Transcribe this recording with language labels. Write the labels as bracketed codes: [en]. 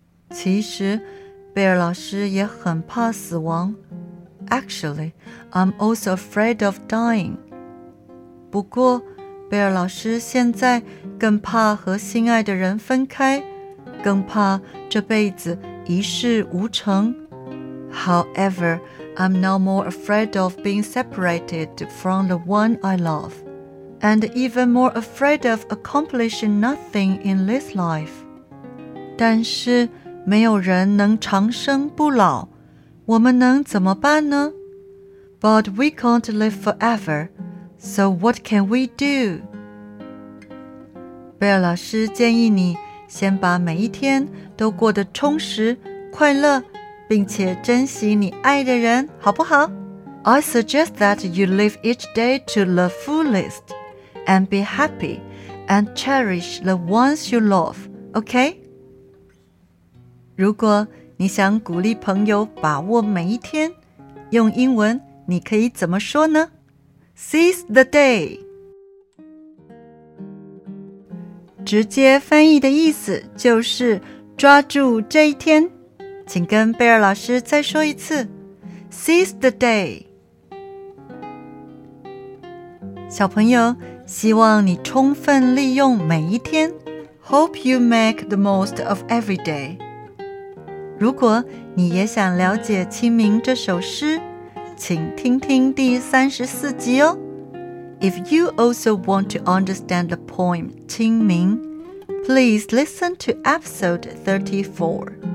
[zh] 其实贝尔老师也很怕死亡。 [en] Actually, I'm also afraid of dying. [zh] 不过贝尔老师现在更怕和心爱的人分开，更怕这辈子一事无成。 [en] However, I'm now more afraid of being separated from the one I love, and even more afraid of accomplishing nothing in this life. [zh] 但是没有人能长生不老，我们能怎么办呢？ [en] But we can't live forever, so what can we do? [zh] 贝尔老师建议你先把每一天都过得充实、快乐，并且珍惜你爱的人，好不好？ [en] I suggest that you live each day to the fullest and be happy and cherish the ones you love, okay? [zh] 如果你想鼓励朋友把握每一天，用英文你可以怎么说呢？ [en] Seize the day. [zh] 直接翻译的意思就是抓住这一天。请跟贝尔老师再说一次。 [en] Seize the day. [zh] 小朋友，希望你充分利用每一天。 [en] Hope you make the most of every day. [zh] 如果你也想了解《清明》这首诗，请听听第34集哦。 [en] If you also want to understand the poem 清明, please listen to episode 34.